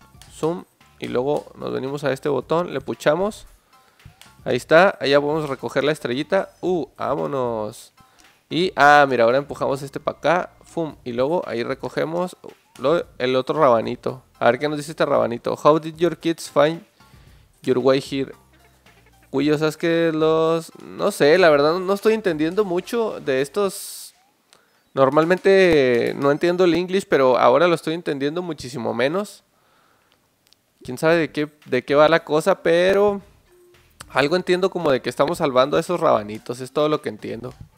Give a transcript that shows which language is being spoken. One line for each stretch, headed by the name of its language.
Spanish: Zoom, y luego nos venimos a este botón. Le puchamos. Ahí está, allá podemos recoger la estrellita. ¡Vámonos! Y, mira, ahora empujamos este para acá. ¡Fum! Y luego ahí recogemos el otro rabanito. A ver qué nos dice este rabanito.
English: How did your kids find your way here?
Spanish: Uy, o sea, es que los... No sé, la verdad no estoy entendiendo mucho de estos. Normalmente no entiendo el inglés, pero ahora lo estoy entendiendo muchísimo menos. ¿Quién sabe de qué va la cosa? Pero algo entiendo como de que estamos salvando a esos rabanitos. Es todo lo que entiendo.